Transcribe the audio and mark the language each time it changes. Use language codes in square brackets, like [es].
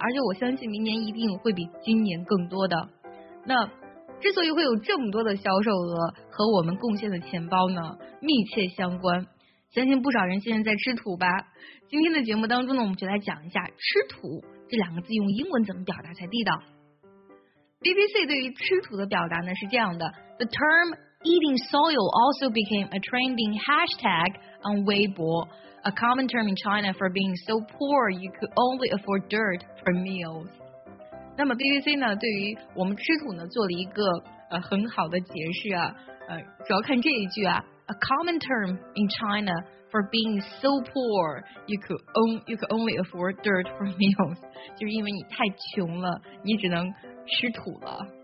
[zh] 而且我相信明年一定会比今年更多的。那之所以会有这么多的销售额和我们贡献的钱包呢，密切相关。相信不少人现在在吃土吧。今天的节目当中呢，我们就来讲一下吃土这两个字用英文怎么表达才地道。 [en] BBC [zh] 对于吃土的表达呢是这样的 [en] ，The term eating soil also became a trending hashtag on Weibo, a common term in China for being so poor you could only afford dirt for meals。 [zh] 那么 BBC 呢对于我们吃土呢做了一个很好的解释啊，主要看这一句啊 ， [en] a common term in China for being so poor you could only afford dirt for meals， [zh] 就是因为你太穷了，你只能吃土了。